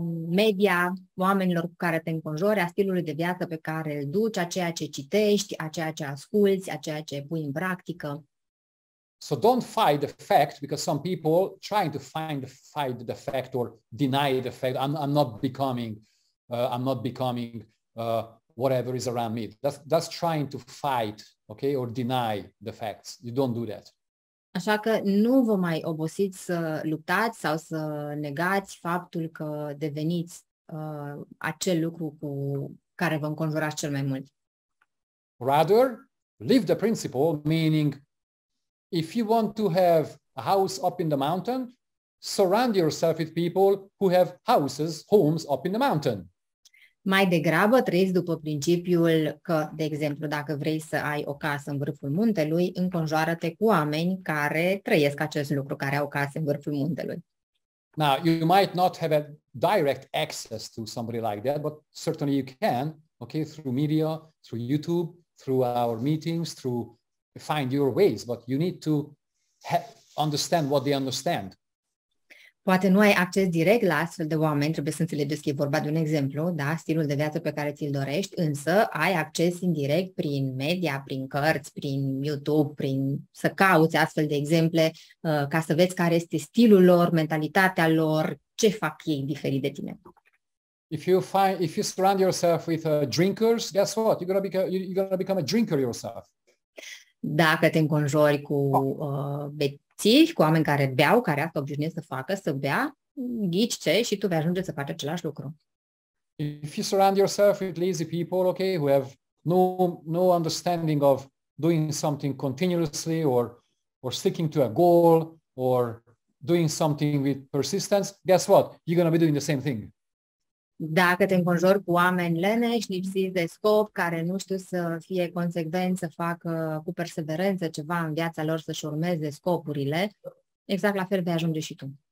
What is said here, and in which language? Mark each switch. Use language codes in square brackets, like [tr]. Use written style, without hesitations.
[ro] media oamenilor cu care te înconjori, a stilului de viață pe care îl duci, a ceea ce citești, a ceea ce asculți, a ceea ce pui în practică. [en] So don't fight the fact, because some people trying to fight the fact or deny the fact, I'm not becoming whatever is around me. That's trying to fight, okay, or deny the facts. You don't do that. [ro] Așa că nu vă mai obosiți să luptați sau să negați faptul că deveniți acel lucru cu care vă înconjurați cel mai mult. [en] Rather, live the principle, meaning if you want to have a house up in the mountain, surround yourself with people who have houses, homes up in the mountain. [ro] Mai degrabă trăiți după principiul că, de exemplu, dacă vrei să ai o casă în vârful muntelui, înconjoară-te cu oameni care trăiesc acest lucru, care au case în vârful muntelui. [en] Now, you might not have a direct access to somebody like that, but certainly you can, okay, through media, through YouTube, through our meetings, through find your ways, but you need to understand what they understand. [ro] Poate nu ai acces direct la astfel de oameni, trebuie să înțelegeți că e vorba de un exemplu, da, stilul de viață pe care ți-l dorești, însă ai acces indirect prin media, prin cărți, prin YouTube, prin să cauți astfel de exemple, ca să vezi care este stilul lor, mentalitatea lor, ce fac ei diferit de tine. [en] If you surround yourself with drinkers, guess what? You're gonna become a drinker yourself. [ro] Dacă te înconjori cu beții, cu oameni care beau, care asta obișnuiesc să facă, să bea, ghici ce și tu vei ajunge să faci același lucru. [en] If you surround yourself with lazy people, okay, who have no understanding of doing something continuously or sticking to a goal or doing something with persistence, guess what? You're going to be doing the same thing. [ro] Dacă te înconjori cu oameni leneși, lipsiți de scop, care nu știu să fie consecvenți, să facă cu perseverență ceva în viața lor, să-și urmeze scopurile, exact la fel vei ajunge și tu.